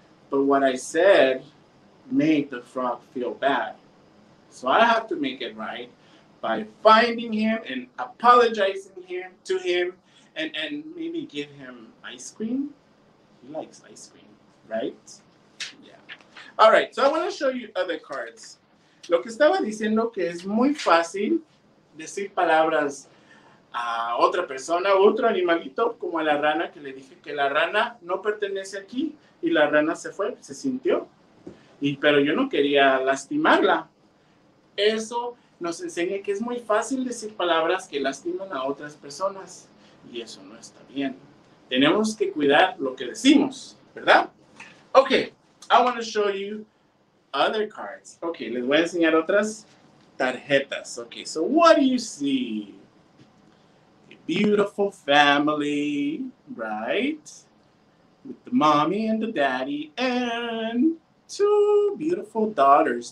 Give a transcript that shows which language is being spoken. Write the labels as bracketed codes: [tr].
[en] But what I said made the frog feel bad. So I have to make it right by finding him and apologizing to him and maybe give him ice cream. He likes ice cream, right? Yeah. All right, so I want to show you other cards. [es] Lo que estaba diciendo que es muy fácil decir palabras a otra persona, otro animalito, como a la rana, que le dije que la rana no pertenece aquí y la rana se fue, se sintió. Pero yo no quería lastimarla. Eso nos enseña que es muy fácil decir palabras que lastiman a otras personas y eso no está bien. Tenemos que cuidar lo que decimos, ¿verdad? [en] Okay, I want to show you other cards. [es] Okay, les voy a enseñar otras tarjetas. [en] Okay, so what do you see? A beautiful family, right? With the mommy and the daddy and two beautiful daughters.